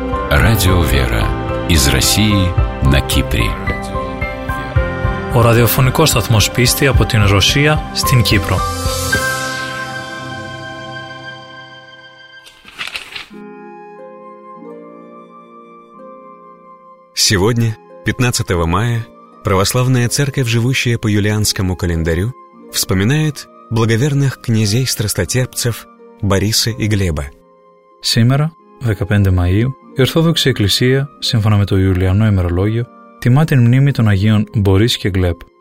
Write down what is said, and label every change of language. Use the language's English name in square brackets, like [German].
[Russian] Радио «Вера» из России на Кипре. [Greek] Ο ραδιοφωνικός σταθμός πίστη από την Ρωσία στην Κύπρο. [Russian] Сегодня, 15 мая, православная церковь, живущая по юлианскому календарю, вспоминает благоверных князей страстотерпцев Бориса и Глеба. Сегодня, 15 мая, [Greek] η Ορθόδοξη Εκκλησία, σύμφωνα με το Ιουλιανό ημερολόγιο, τιμά την μνήμη των Αγίων Μπορίς και Γκλέπ.